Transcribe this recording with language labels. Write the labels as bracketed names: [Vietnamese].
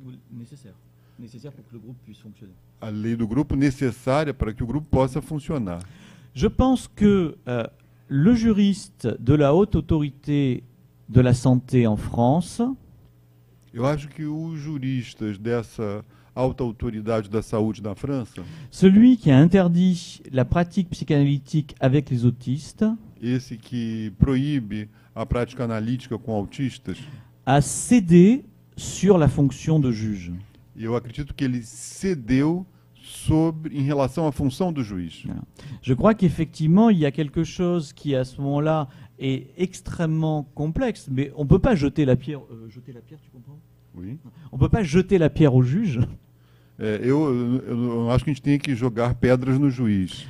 [French] nécessaire pour que le groupe puisse fonctionner. [Portuguese] A lei do grupo necessária para que o grupo possa funcionar. [French] Je pense que le juriste de la haute autorité de la santé en France, [Portuguese] eu acho que os juristas dessa alta autoridade da saúde na França, [French] celui qui a interdit la pratique psychanalytique avec les autistes, [Portuguese] esse que proíbe a prática analítica com autistas, [French] a cédé sur la fonction de juge. [Portuguese] Eu acredito que ele cedeu sobre em relação à função do juiz. [French] Je crois qu'effectivement il y a quelque chose qui à ce moment-là est extrêmement complexe, mais on peut pas jeter la pierre, tu comprends? Oui. On peut pas jeter la pierre au juge. [Portuguese] Eu acho que a gente tem que jogar pedras no juiz.